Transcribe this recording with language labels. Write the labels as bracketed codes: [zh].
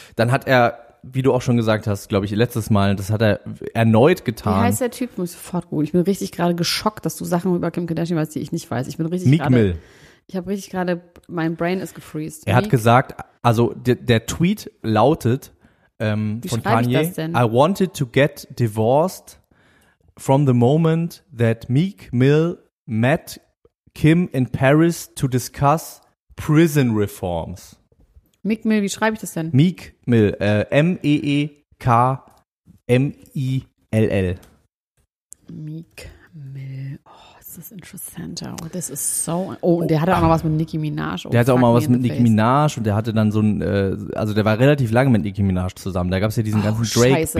[de] Dann hat er, wie du auch schon gesagt hast, glaube ich, letztes Mal, das hat er erneut getan. Wie heißt der Typ? Muss ich sofort googeln. Ich bin richtig gerade geschockt, dass du Sachen über Kim Kardashian weißt, die ich nicht weiß. Ich bin richtig gerade. Meek Mill. Ich habe richtig gerade, mein Brain ist gefreezed. Er hat gesagt, also der Tweet lautet von Kanye. Wie schreibe ich das denn? [en] I wanted to get divorced from the moment that Meek Mill met Kim in Paris to discuss prison reforms. [de] Meek Mill, wie schreibe ich das denn? Meek Mill, M-E-E-K-M-I-L-L. Meek Mill, oh, ist das interessant. Oh, das ist so, oh, und der hatte auch mal was mit Nicki Minaj. Der hatte auch mal was mit Nicki Minaj und der hatte dann so ein, also der war relativ lange mit Nicki Minaj zusammen. Da gab es ja diesen ganzen Drake-Beef und so.